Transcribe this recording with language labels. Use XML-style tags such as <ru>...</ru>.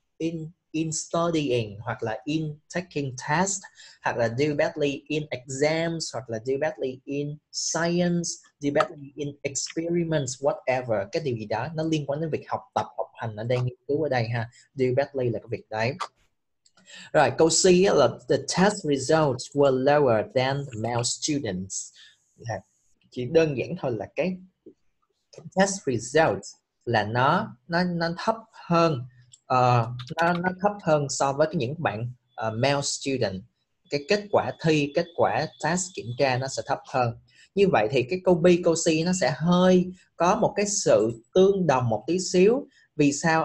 <en>in studying</en> <vi>hoặc là</vi> <en>in taking test hoặc là do badly in exams hoặc là do badly in science, do badly in experiments, whatever.</en> <vi>Cái điều gì đó nó liên quan đến việc học tập, học hành ở đây, nghiên cứu ở đây ha.</vi> <en>Do badly</en> <vi>là cái việc đấy. Rồi, câu C là</vi> <en>the test results were lower than male students.</en> <vi>Chỉ đơn giản thôi là cái</vi> <en>test results</en> <vi>là nó thấp hơn nó thấp hơn so với những bạn</vi> <en>male student.</en> <vi>Cái kết quả thi, kết quả test kiểm tra nó sẽ thấp hơn. Như vậy thì cái câu B, câu C nó sẽ hơi có một cái sự tương đồng một tí xíu. Vì sao?</vi>